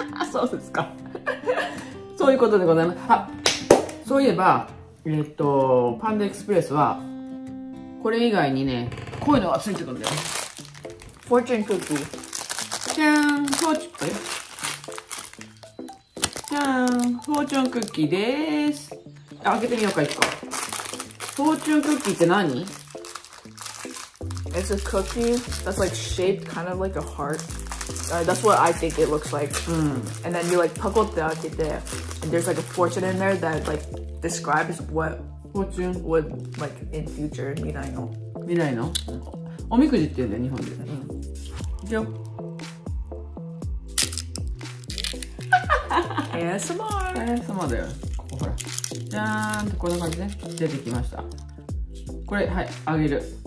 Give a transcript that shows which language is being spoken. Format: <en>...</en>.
<ja>そうですかそういうことでございます。あ、そういえば、パンダエクスプレスはこれ以外にね、こういうのがついてくるんだよ。</ja> <en>Fortune cookie。</en> <ja>じゃーん、フォーチュン、フォーチュンクッキーです。開けてみようか、いっか。フォーチュンクッキーって何？</ja> <en>It's a cookie that's like shaped kind of like a heart. That's what I think it looks like. And then you like</en> <ja>パコって開けて、</ja> <en>and there's like a fortune in there that like describes what fortune would like in future, 未来の。</en> <ja>未来の？おみくじって言うんだよ、日本で。じゃあ。</ja> <en>ASMR</en> <ja>だよ。ここほら、じゃーんとこんな感じで出てきました。これ、はい、あげる。</ja>